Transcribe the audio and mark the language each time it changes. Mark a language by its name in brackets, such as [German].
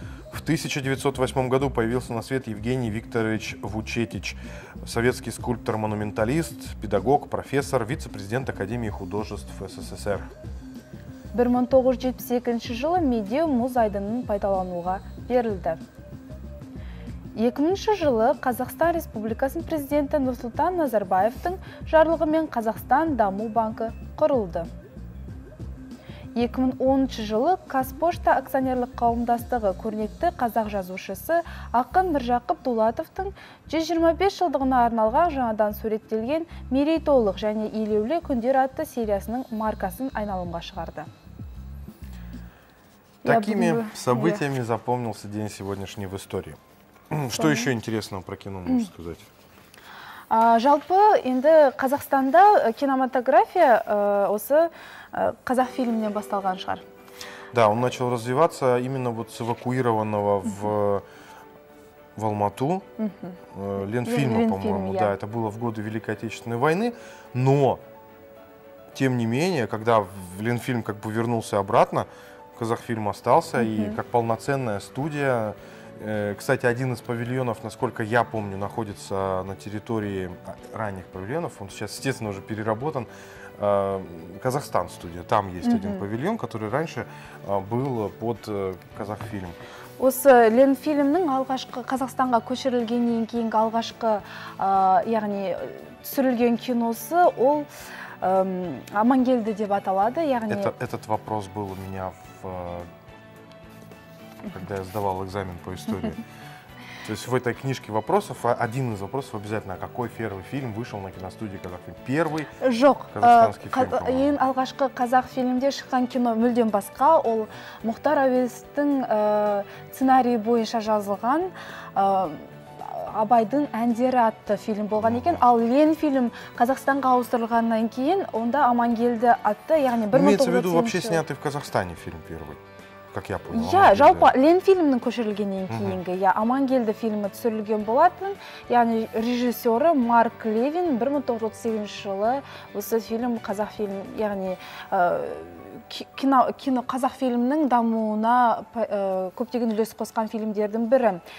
[Russian] В 1908 году появился на свет Евгений Викторович Вучетич, советский скульптор-монументалист, педагог, профессор, вице-президент Академии художеств СССР. [Kazakh] 1972 жылы Медеу мұз айдынын пайдалануға берілді. 2000 жылы Қазақстан Республикасын президенті Нұрсұлтан Назарбаевтың жарлығымен Қазақстан Даму банкі құрылды. 2010 жылы Қазпошта акционерлік қауымдастығы көрнекті қазақ жазушысы ақын Міржақып Дулатовтың 125 жылдығына арналған жаңадан суреттелген мерейтойлық және елеулі күндер атты сериясының маркасын айналымға шығарды. [Russian] Такими событиями запомнился день сегодняшний в истории. Что еще интересного про кино можно сказать? [Kazakh] Жалпы, енді Қазақстанда кинематография осы қазақ фильмінен басталған шығар. [Russian] Да, он начал развиваться именно вот с эвакуированного в Алмату Ленфильма, по-моему. Да, это было в годы Великой Отечественной войны, но тем не менее, когда Ленфильм как бы вернулся обратно, Казахфильм остался, и как полноценная студия. Кстати, один из павильонов, насколько я помню, находится на территории ранних павильонов. Он сейчас, естественно, уже переработан. Казахстан-студия. Там есть один павильон, который раньше был под Казахфильм. [Kazakh] Осы Ленфильмнің алғашқы Қазақстанға көшірілгеннен кейін алғашқы, яғни, түсірілген киносы, ол Амангелді деп аталады. [Russian] Этот вопрос был у меня в когда я сдавал экзамен по истории. То есть в этой книжке вопросов, один из вопросов обязательно, какой первый фильм вышел на киностудии Казахфильм? Первый казахстанский фильм. [Kazakh] Ең алғашқы Казахфильмде шыққан кино мүлден басқа, ол Мұхтар әуезовтің сценарий бойынша жазылған Абайдың әндері атты фильм болған екен, ал Ленфильм Қазақстанға ауыстырылғаннан кейін, онда Амангелді атты, яғни 1900-ші. [Russian] Имеется в виду, вообще снятый в Казахстане фильм первый, как я понял. [Kazakh] Я, жалпы, Ленфильмнің көшірілгеннен кейінгі, я Амангелді фильмі түсірілген болатын, яғни режиссері Марк Левин 1937 жылы осы фильм қазақ фильм, яғни кино қазақ фильмінің дамуына көптеген үлес қосқан фильмдердің бірі.